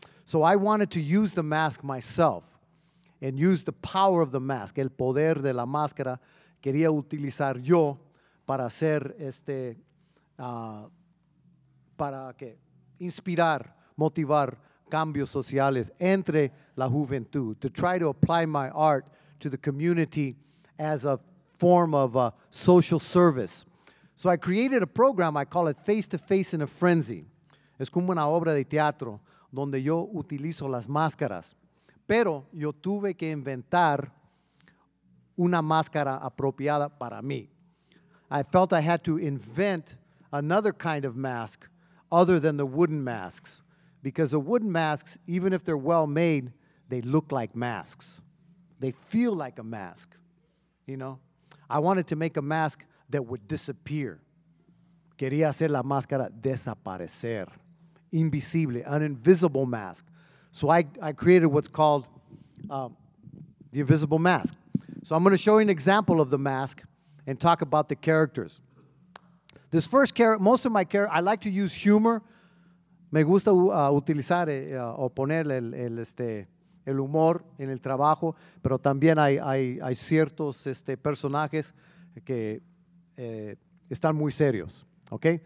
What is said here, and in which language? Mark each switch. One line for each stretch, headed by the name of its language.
English: So I wanted to use the mask myself and use the power of the mask,
Spanish: el poder de la máscara, quería utilizar yo para hacer para que inspirar, motivar cambios sociales entre la juventud,
English: to try to apply my art to the community as a form of social service. So I created a program, I call it Face to Face in a Frenzy.
Spanish: Es como una obra de teatro donde yo utilizo las máscaras. Pero yo tuve que inventar una máscara apropiada para mí.
English: I felt I had to invent another kind of mask other than the wooden masks. Because the wooden masks, even if they're well made, they look like masks. They feel like a mask, you know? I wanted to make a mask that would disappear.
Spanish: Quería hacer la máscara desaparecer. Invisible,
English: an invisible mask. So I created what's called the invisible mask. So I'm going to show you an example of the mask and talk about the characters. This first character, most of my characters, I like to use humor.
Spanish: Me gusta utilizar o poner el humor en el trabajo, pero también hay ciertos personajes que están muy serios, ¿ok?